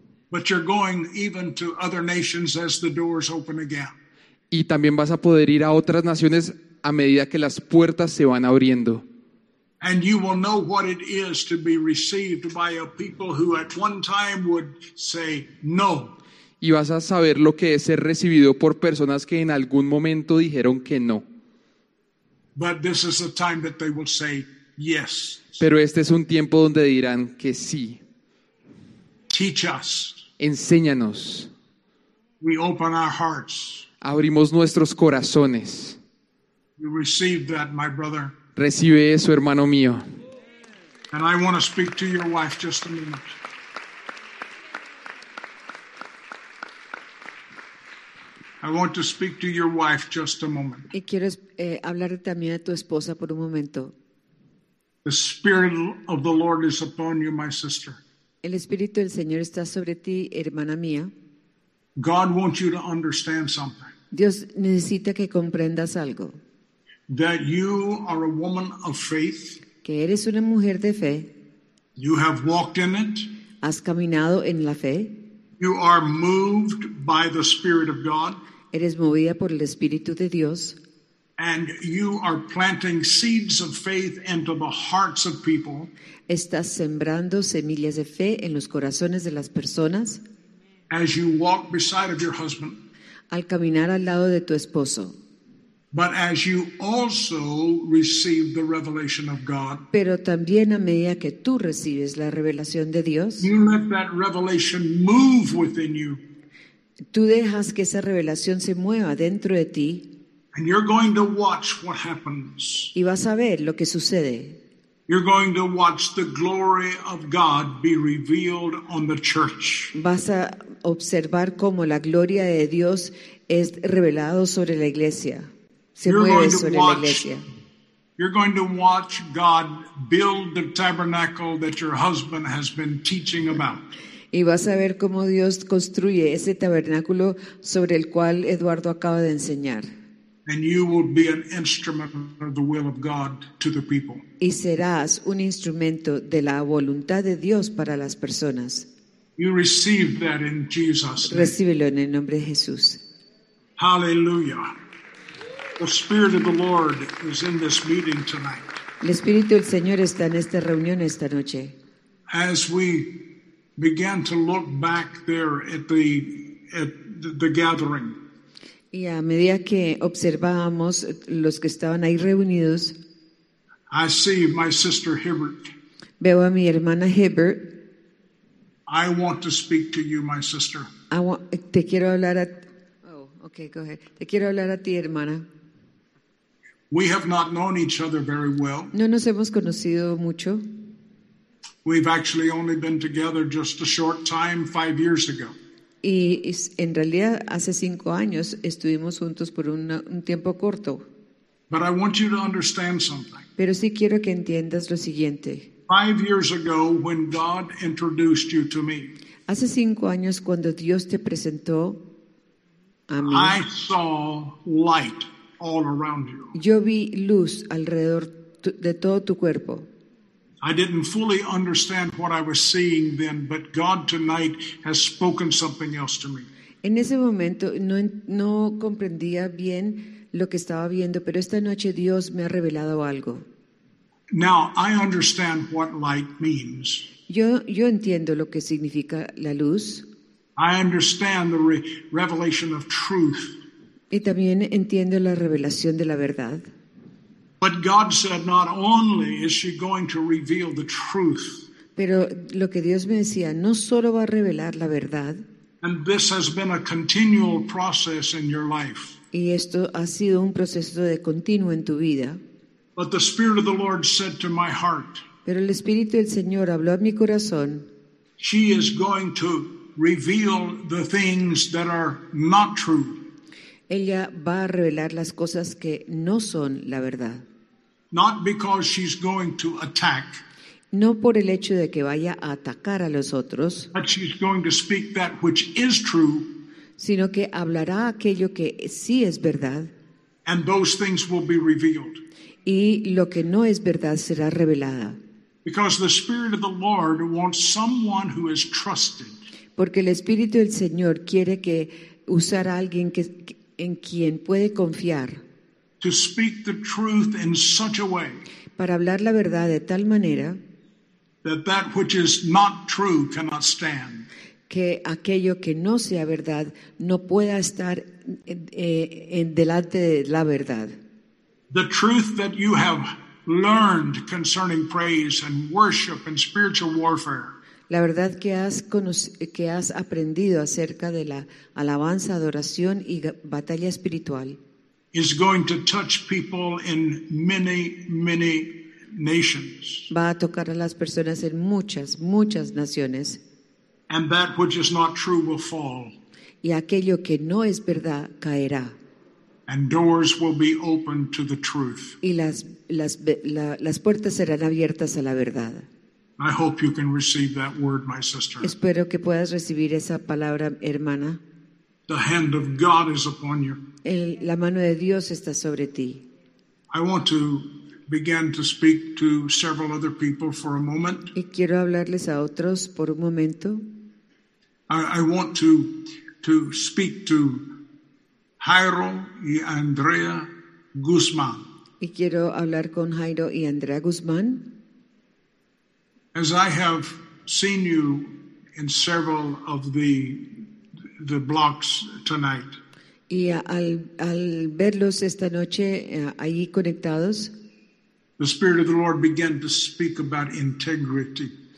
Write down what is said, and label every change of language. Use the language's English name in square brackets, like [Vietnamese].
[English] But you're going even to other nations as the doors open again. [Spanish] Y también vas a poder ir a otras naciones a medida que las puertas se van abriendo. [English] And you will know what it is to be received by a people who at one time would say no. [Spanish] Y vas a saber lo que es ser recibido por personas que en algún momento dijeron que no. [English] But this is a time that they will say yes. [Spanish] Pero este es un tiempo donde dirán que sí. [English] Teach us. [Spanish] Enséñanos. [English] We open our hearts. [Spanish] Abrimos nuestros corazones. [English] You receive that, my brother. [Spanish] Recibe eso, hermano mío. [English] And I want to speak to your wife just a minute. I want to speak to your wife just a moment. [Spanish] Y quiero hablar también a tu esposa por un momento. [English] The Spirit of the Lord is upon you, my sister. [Spanish] El Espíritu del Señor está sobre ti, hermana mía. [English] God wants you to understand something. [Spanish] Dios necesita que comprendas algo. [English] That you are a woman of faith. [Spanish] Que eres una mujer de fe. [English] You have walked in it. [Spanish] Has caminado en la fe. [English] You are moved by the Spirit of God. [Spanish] Eres movida por el Espíritu de Dios. [English] And you are planting seeds of faith into the hearts of people. [Spanish] Estás sembrando semillas de fe en los corazones de las personas. [English] As you walk beside of your husband. [Spanish] Al caminar al lado de tu esposo. [English] But as you also receive the revelation of God. [Spanish] Pero también a medida que tú recibes la revelación de Dios. [English] You let that revelation move within you. [Spanish] Tú dejas que esa revelación se mueva dentro de ti. [English] And you're going to watch what happens. [Spanish] Y vas a ver lo que sucede. [English] You're going to watch the glory of God be revealed on the church. [Spanish] Vas a observar cómo la gloria de Dios es revelado sobre la iglesia. Se [English] you're [Spanish] mueve [English] going [Spanish] sobre [English] to watch, [Spanish] la iglesia. [English] You're going to watch God build the tabernacle that your husband has been teaching about. [Spanish] Y vas a ver cómo Dios construye ese tabernáculo sobre el cual Eduardo acaba de enseñar. [English] And you will be an instrument of the will of God to the people. [Spanish] Y serás un instrumento de la voluntad de Dios para las personas. [English] You receive that in Jesus' name. [Spanish] Recíbelo en el nombre de Jesús. [English] Hallelujah. The Spirit of the Lord is in this meeting tonight. [Spanish] El Espíritu del Señor está en esta reunión esta noche. [English] As we began to look back there at the gathering. [Spanish] Y a medida que observábamos los que estaban ahí reunidos, [English] I see my sister Hibbert. [Spanish] Veo a mi hermana Hibbert. [English] I want to speak to you, my sister. [Spanish] Te quiero hablar a. [English] Oh, okay, go ahead. [Spanish] Te quiero hablar a ti, hermana. [English] We have not known each other very well. [Spanish] No nos hemos conocido mucho. [English] We've actually only been together just a short time, 5 years ago. [Spanish] Y en realidad hace 5 años estuvimos juntos por un tiempo corto. [English] But I want you to understand something. [Spanish] Pero sí quiero que entiendas lo siguiente. [English] 5 years ago, when God introduced you to me, [Spanish] hace 5 años cuando Dios te presentó a mí, [English] I saw light all around you. [Spanish] Yo vi luz alrededor de todo tu cuerpo. [English] I didn't fully understand what I was seeing then, but God tonight has spoken something else to me. [Spanish] En ese momento no comprendía bien lo que estaba viendo, pero esta noche Dios me ha revelado algo. [English] Now I understand what light means. [Spanish] Yo entiendo lo que significa la luz. [English] I understand the revelation of truth. [Spanish] Y también entiendo la revelación de la verdad. [English] But God said, not only is she going to reveal the truth. [Spanish] Pero lo que Dios me decía, no solo va a revelar la verdad. [English] And this has been a continual process in your life. [Spanish] Y esto ha sido un proceso de continuo en tu vida. [English] But the Spirit of the Lord said to my heart. [Spanish] Pero el Espíritu del Señor habló a mi corazón. [English] She is going to reveal the things that are not true. [Spanish] Ella va a revelar las cosas que no son la verdad. [English] Not because she's going to attack. [Spanish] No por el hecho de que vaya a atacar a los otros. [English] But she's going to speak that which is true. [Spanish] Sino que hablará aquello que sí es verdad. [English] And those things will be revealed. [Spanish] Y lo que no es verdad será revelada. [English] Because the Spirit of the Lord wants someone who is trusted. [Spanish] Porque el Espíritu del Señor quiere que usar a alguien que en quien puede confiar [English] to speak the truth in such a way [Spanish] para hablar la verdad de tal manera [English] that which is not true cannot stand. [Spanish] Que aquello que no sea verdad no pueda estar en delante de la verdad. [English] The truth that you have learned concerning praise and worship and spiritual warfare. [Spanish] La verdad que has aprendido acerca de la alabanza, adoración y batalla espiritual [English] is going to touch people in many, many nations. [Spanish] Va a tocar a las personas en muchas, muchas naciones. [English] And that which is not true will fall. [Spanish] Y aquello que no es verdad caerá. [English] And doors will be opened to the truth. [Spanish] Y las puertas serán abiertas a la verdad. [English] I hope you can receive that word, my sister. [Spanish] Espero que puedas recibir esa palabra, hermana. [English] The hand of God is upon you. [Spanish] La mano de Dios está sobre ti. [English] I want to begin to speak to several other people for a moment. [Spanish] Y quiero hablarles a otros por un momento. [English] I want to speak to Jairo y Andrea Guzmán. [Spanish] Y quiero hablar con Jairo y Andrea Guzmán. [English] As I have seen you in several of the blocks tonight. [Spanish] Y al verlos esta noche allí conectados. [English] The Spirit of the Lord began to speak about integrity.